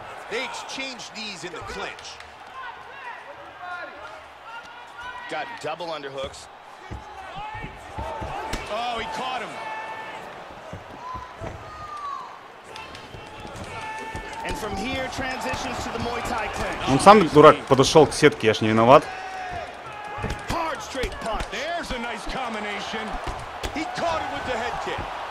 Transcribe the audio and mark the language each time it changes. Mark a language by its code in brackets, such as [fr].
[en] They exchanged knees in the clinch. Got double underhooks. Oh, he caught him. And from here transitions to the Muay Thai clinch. [ru] Он сам дурак подошел к сетке, я ж не виноват. [en] Hard straight punch. There's a nice combination. He caught it with the head kick.